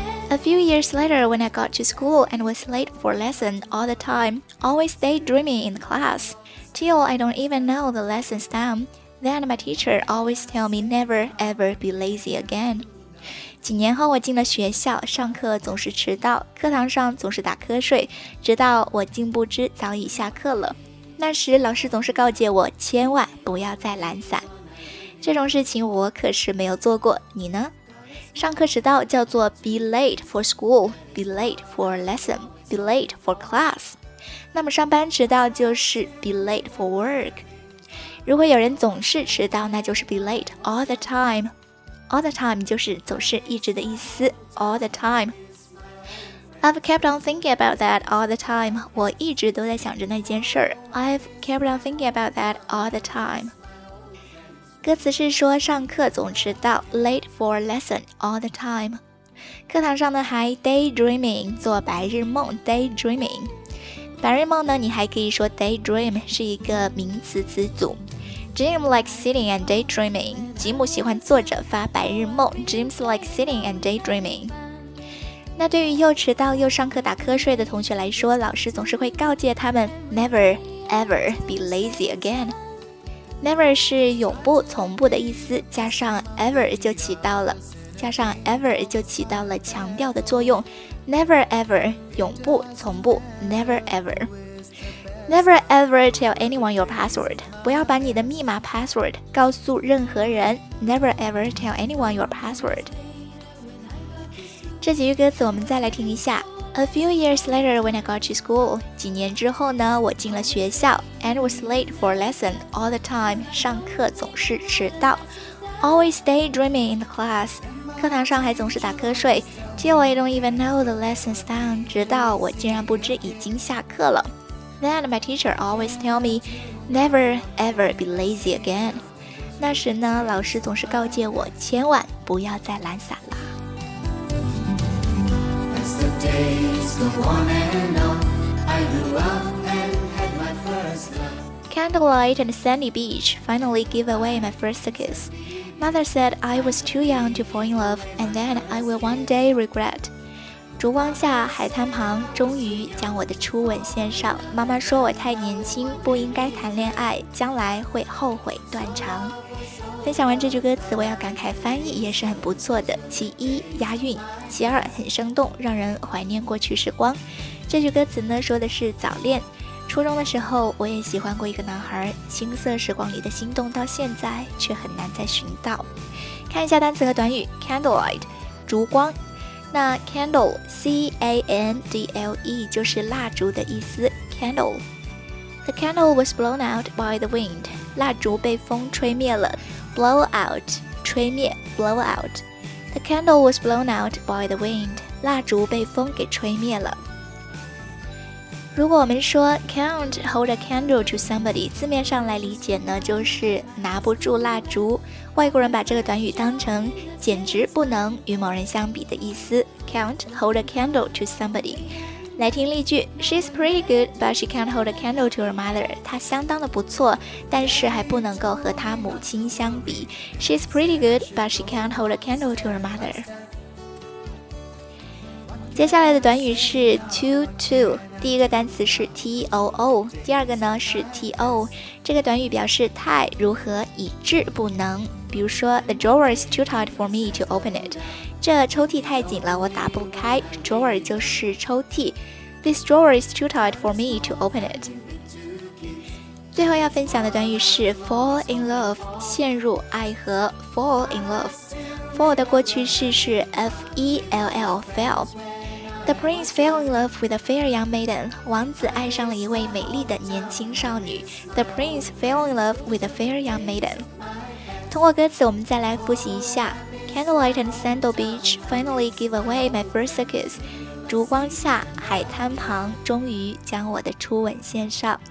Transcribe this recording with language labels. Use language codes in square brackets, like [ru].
[en] A few years later when I got to school and was late for lesson all the time, always daydreaming in class, till I don't even know the lesson's done, then my teacher always tell me never ever be lazy again. [zh] 几年后我进了学校，上课总是迟到，课堂上总是打瞌睡，直到我竟不知早已下课了。那时老师总是告诫我千万不要再懒散。这种事情我可是没有做过，你呢？上课迟到叫做 [en] be late for school, be late for lesson, be late for class。 [zh] 那么上班迟到就是 [en] be late for work。 [zh] 如果有人总是迟到，那就是 [en] be late all the timeAll the time [zh] 就是总是一直的意思。 [en] All the time， I've kept on thinking about that all the time， [zh] 我一直都在想着那件事。 [en] I've kept on thinking about that all the time。 [zh] 歌词是说上课总迟到， [en] late for lesson all the time。 [zh] 课堂上呢还 daydreaming， 做白日梦， daydreaming。白日梦呢你还可以说 daydream， 是一个名词词组。 [en] Jim likes sitting and daydreaming. [zh] 吉姆喜欢坐着发白日梦。 [en] Jim's like sitting and daydreaming. [zh] 那对于又迟到又上课打瞌睡的同学来说，老师总是会告诫他们 [en] never ever be lazy again. [zh] Never 是永不、从不的意思，加上 ever 就起到了，加上 ever 就起到了强调的作用。 [en] Never ever [zh] 永不、从不 [en] ，never ever. Never ever tell anyone your password. [zh] 不要把你的密码 password 告诉任何人。 [en] Never ever tell anyone your password. [zh] 这几句歌词我们再来听一下。 [en] A few years later when I got to school. [zh] 几年之后呢我进了学校。 [en] And was late for lesson all the time. [zh] 上课总是迟到。 [en] Always daydreaming in the class. [zh] 课堂上还总是打瞌睡。 [en] Till I don't even know the lesson's done. [zh] 直到我竟然不知已经下课了。 [en] Then my teacher always tell me, never ever be lazy again. [zh] 那时呢，老师总是告诫我千万不要再懒散啦。 [en] Candlelight and sandy beach finally give away my first kiss. Mother said I was too young to fall in love, and then I will one day regret. [zh] 烛光下海滩旁终于将我的初吻献上，妈妈说我太年轻不应该谈恋爱，将来会后悔断肠。分享完这句歌词，我要感慨翻译也是很不错的，其一押韵，其二很生动，让人怀念过去时光。这句歌词呢说的是早恋，初中的时候我也喜欢过一个男孩，青涩时光里的心动到现在却很难再寻到。看一下单词和短语， Candlelight 烛光，那 Candle C-A-N-D-L-E 就是蜡烛的意思。 [en] Candle The candle was blown out by the wind， [zh] 蜡烛被风吹灭了。 [en] Blow out 吹灭， blow out。 The candle was blown out by the wind， [zh] 蜡烛被风给吹灭了。如果我们说 [en] can't hold a candle to somebody， [zh] 字面上来理解呢，就是拿不住蜡烛。外国人把这个短语当成简直不能与某人相比的意思。 [en] can't hold a candle to somebody。 来听例句， She's pretty good but she can't hold a candle to her mother， [zh] 她相当的不错，但是还不能够和她母亲相比。 [en] She's pretty good but she can't hold a candle to her mother。 [zh] 接下来的短语是 to，第一个单词是 too， 第二个呢是 to， 这个短语表示太如何以致不能，比如说 [en] The drawer is too tight for me to open it， [zh] 这抽屉太紧了我打不开， drawer 就是抽屉， [en] This drawer is too tight for me to open it。 [zh] 最后要分享的短语是 [en] fall in love， [zh] 陷入爱河， fall in love， fall 的过去式是 fell， fell。 [en] The prince fell in love with a fair young maiden， [zh] 王子爱上了一位美丽的年轻少女。 [en] The prince fell in love with a fair young maiden。 [zh] 通过歌词我们再来复习一下， [en] Candlelight and sandal beach finally give away my first kiss， [zh] 烛光下海滩旁终于将我的初吻献上。